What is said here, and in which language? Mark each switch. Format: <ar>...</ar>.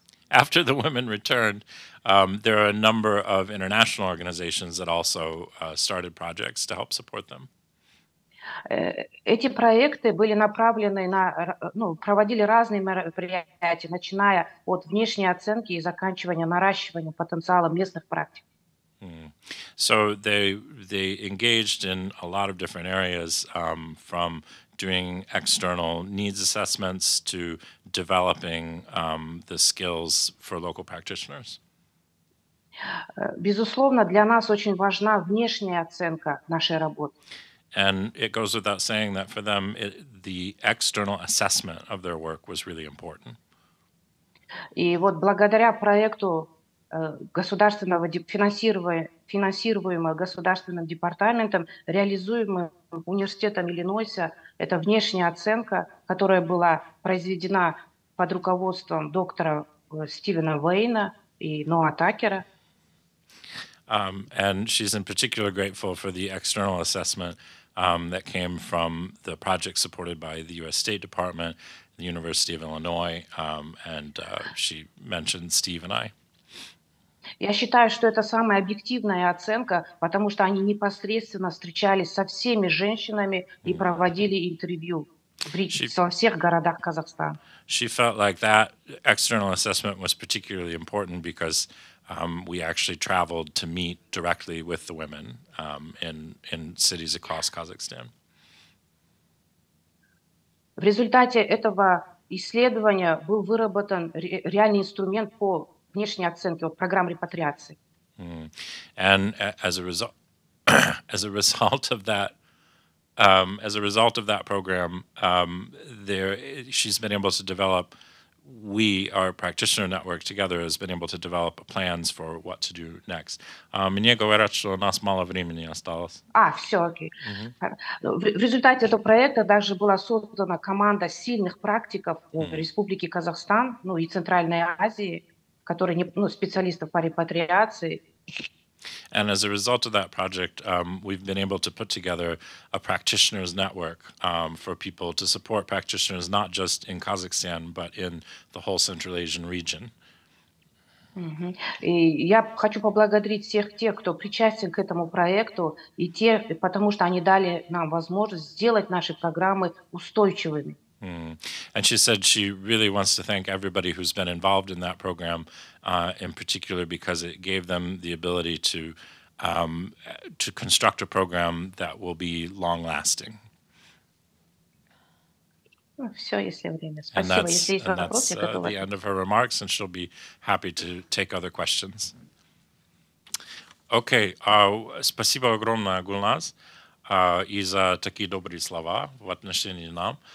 <en>And after the women returned, there are a number of international organizations that also started projects to help support them.</en> <ru>Эти проекты были направлены на, ну, проводили разные мероприятия, начиная от внешней оценки и заканчивания наращиванием потенциала местных практик.</ru> <en>So they engaged in a lot of different areas, from doing external needs assessments to developing the skills for local practitioners.</en> <ru>Безусловно, для нас очень важна внешняя оценка нашей работы.</ru> <en>And it goes without saying that for them, the external assessment of their work was really important.</en> <ru>И вот благодаря проекту государственного финансируемого государственным департаментом, реализуемым университетом Иллинойса, эта внешняя оценка, которая была произведена под руководством доктора Стивена Вейна и Ноа Такера.</ru> <en>And she's in particular grateful for the external assessment that came from the project supported by the U.S. State Department, the University of Illinois, she mentioned Steve and I.</en> <ru>Я считаю, что это самая объективная оценка, потому что они непосредственно встречались со всеми женщинами и проводили интервью во всех городах Казахстана.</ru> <en>She felt like that external assessment was particularly important because we actually traveled to meet directly with the women in cities across Kazakhstan.</en> <ru>В результате этого исследования был выработан реальный инструмент по внешней оценке, вот, программ репатриации.</ru> <en>And she's been able to develop. We, our practitioner network together, has been able to develop plans for what to do next.</en> <ru>Мне говорят, что у нас мало времени осталось. А, все, окей. В результате этого проекта даже была создана команда сильных практиков Республики Казахстан, ну и Центральной Азии, которые, ну, специалистов по репатриации.</ru> <en>And as a result of that project, we've been able to put together a practitioners network for people to support practitioners, not just in Kazakhstan, but in the whole Central Asian region.</en> <ru>И я хочу поблагодарить всех тех, кто причастен к этому проекту, и те, потому что они дали нам возможность сделать наши программы устойчивыми.</ru> <en>And she said she really wants to thank everybody who's been involved in that program, in particular because it gave them the ability to construct a program that will be long-lasting. And that's the end of her remarks, and she'll be happy to take other questions.</en> <ru>Okay, спасибо огромное, Гулназ. И за такие добрые слова в отношении нам.</ru>